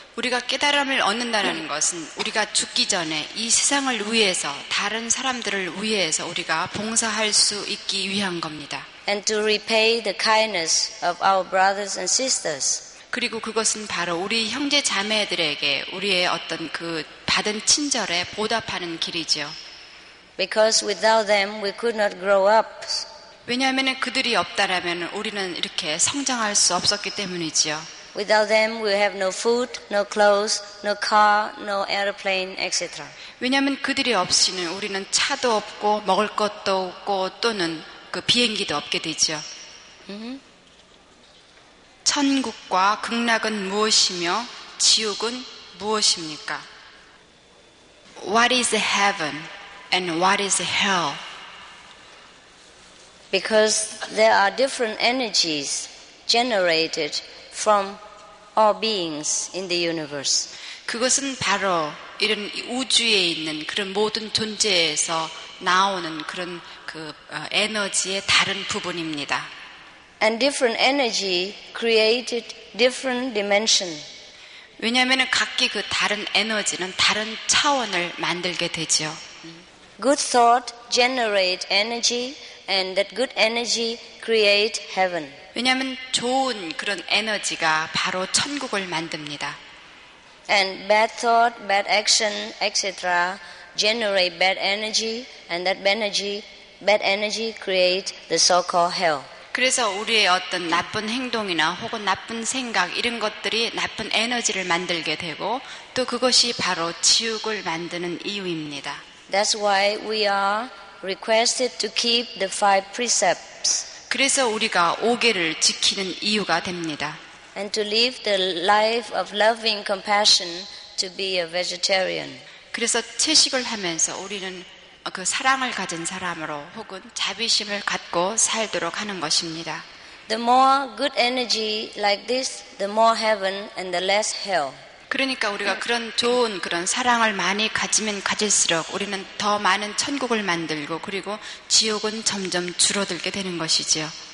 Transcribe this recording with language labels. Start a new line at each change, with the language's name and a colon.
Korean: 우리가 깨달음을 얻는다는 것은 우리가 죽기 전에 이 세상을 위해서 다른 사람들을 위해서 우리가 봉사할 수 있기 위한 겁니다.
English: And to repay the kindness of our brothers and sisters.
Korean: 그리고 그것은 바로 우리 형제 자매들에게 우리의 어떤 그 받은 친절에 보답하는 길이죠.
English: Because without them, we could not grow up.
Korean: 왜냐하면 그들이 없다라면 우리는 이렇게 성장할 수 없었기 때문이지요.
English: Without them, we have no food, no clothes, no car, no airplane, etc.
Korean: 왜냐하면 그들이 없이는 우리는 차도 없고 먹을 것도 없고 또는 그 비행기도 없게 되죠. Mm-hmm. 천국과 극락은 무엇이며 지옥은 무엇입니까?
English: What is heaven and what is hell? Because there are different energies generated from all beings in the universe.
Korean: 그것은 바로 이런 우주에 있는 그런 모든 존재에서 나오는 그런 그 에너지의 다른 부분입니다.
English: And different energy created different dimension.
Korean: 왜냐하면 각기 그 다른 에너지는 다른 차원을 만들게 되죠.
English: Good thought generate energy, and that good energy create heaven.
Korean: 왜냐하면 좋은 그런 에너지가 바로 천국을 만듭니다.
English: And bad thought, bad action, etc. generate bad energy, and that bad energy create the so-called hell.
Korean: 그래서 우리의 어떤 나쁜 행동이나 혹은 나쁜 생각 이런 것들이 나쁜 에너지를 만들게 되고 또 그것이 바로 지옥을 만드는 이유입니다.
English: That's why we are requested to keep the five precepts.
Korean: 그래서 우리가 5계를 지키는 이유가 됩니다.
English: And to live the life of loving compassion to be a vegetarian.
Korean: 그래서 채식을 하면서 우리는 그 사랑을 가진 사람으로 혹은 자비심을 갖고 살도록 하는 것입니다.
English: The more good energy like this, the more heaven and the less hell.
Korean: 그러니까 우리가 그런 좋은 그런 사랑을 많이 가지면 가질수록 우리는 더 많은 천국을 만들고 그리고 지옥은 점점 줄어들게 되는 것이지요.